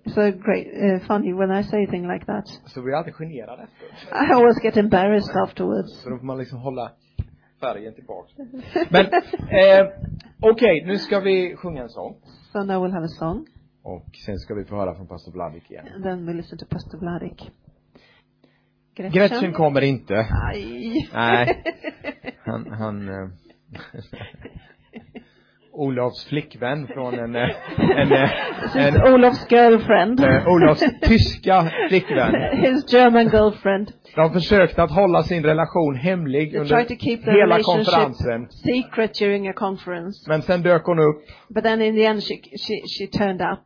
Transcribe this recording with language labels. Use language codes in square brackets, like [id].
[en] So great, funny when I say thing like that. [sv] Så blir jag alltid generad efteråt. [en] I always get embarrassed afterwards. [sv] Så då får man liksom hålla färgen tillbaka. Men okej, nu ska vi sjunga en sång. [en] So now we'll have a song. [sv] Och sen ska vi få höra från Pastor Vladik igen. [en] And then we'll listen to Pastor Vladik. [sv] Gretchen kommer inte. Aj. Nej. Han Olofs flickvän från en [en] Olofs girlfriend. [sv] Olofs tyska flickvän. [en] His German girlfriend. [sv] De försökte att hålla sin relation hemlig under hela konferensen. [en] Secret during a conference. [sv] Men sen dök hon upp. [en] But then in the end she turned up.